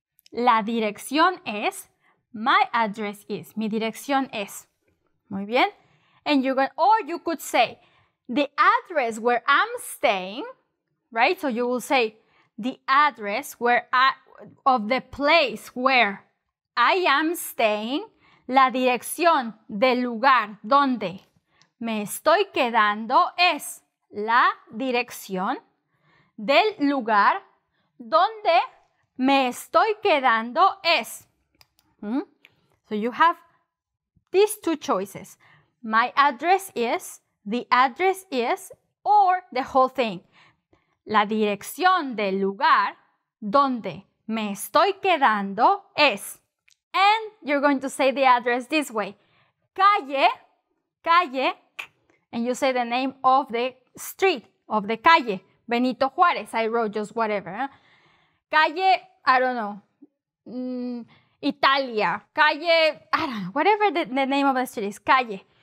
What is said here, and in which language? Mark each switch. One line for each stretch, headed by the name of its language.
Spanish: La dirección es,
English: my address is,
Spanish: mi dirección es. Muy bien.
English: And you go, or you could say, the address where I'm staying, right? So you will say, the address where I, of the place where I am staying,
Spanish: la dirección del lugar donde me estoy quedando es la dirección del lugar donde me estoy quedando es.
English: So you have these two choices. My address is, the address is, or the whole thing.
Spanish: La dirección del lugar donde me estoy quedando es.
English: And you're going to say the address this way. Calle, calle. And you say the name of the street, of the calle. Benito Juárez, I wrote just whatever. Calle, I don't know, Italia, calle, I don't know, whatever the name of the street is, calle.